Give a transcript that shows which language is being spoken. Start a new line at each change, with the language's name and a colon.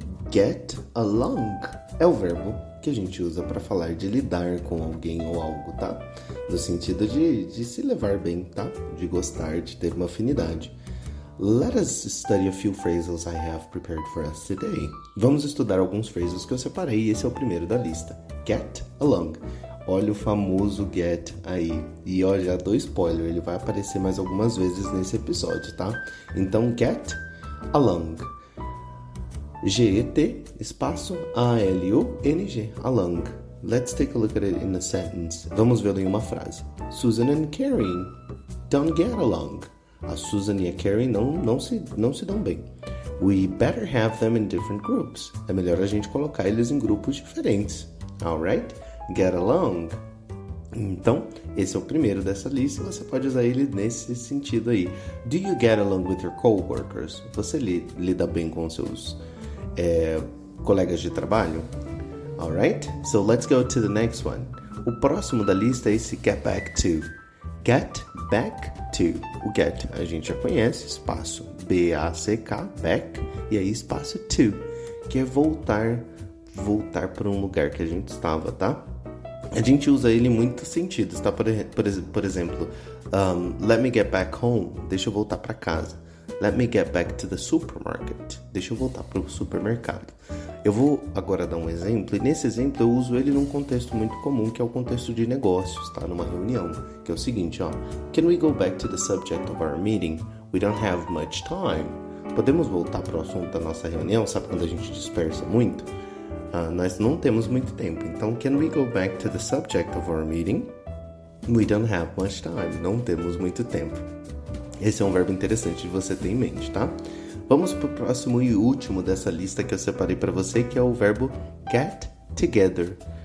Portuguese: Get along é o verbo que a gente usa para falar de lidar com alguém ou algo, tá? No sentido de se levar bem, tá? De gostar, de ter uma afinidade.
English: Let us study a few phrases I have prepared for us today.
Portuguese: Vamos estudar alguns phrases que eu separei e esse é o primeiro da lista. Get along. Olha o famoso get aí. E ó, já dou spoiler, ele vai aparecer mais algumas vezes nesse episódio, tá? Então, get along. G-E-T, espaço, A-L-U-N-G, along.
English: Let's take a look at it in a sentence.
Portuguese: Vamos vê-lo em uma frase.
English: Susan and Karen don't get along.
Portuguese: A Susan e a Karen não se dão bem.
English: We better have them in different groups.
Portuguese: É melhor a gente colocar eles em grupos diferentes.
English: Alright? Get along.
Portuguese: Então, esse é o primeiro dessa lista. Você pode usar ele nesse sentido aí.
English: Do you get along with your coworkers?
Portuguese: Você lida bem com seus colegas de trabalho?
English: Alright? So let's go to the next one.
Portuguese: O próximo da lista é esse get back to. Get back to. O get a gente já conhece, espaço B-A-C-K, back, e aí espaço to, que é voltar para um lugar que a gente estava, tá? A gente usa ele em muitos sentidos, tá? Por exemplo,
English: let me get back home,
Portuguese: deixa eu voltar para casa.
English: Let me get back to the supermarket,
Portuguese: deixa eu voltar para o supermercado. Eu vou agora dar um exemplo, e nesse exemplo eu uso ele num contexto muito comum, que é o contexto de negócios, tá? Numa reunião, que é o seguinte, ó.
English: Can we go back to the subject of our meeting? We don't have much time.
Portuguese: Podemos voltar para o assunto da nossa reunião, sabe quando a gente dispersa muito? Nós não temos muito tempo.
English: Então, can we go back to the subject of our meeting? We don't have much time.
Portuguese: Não temos muito tempo. Esse é um verbo interessante de você ter em mente, tá? Vamos para o próximo e último dessa lista que eu separei para você, que é o verbo get together.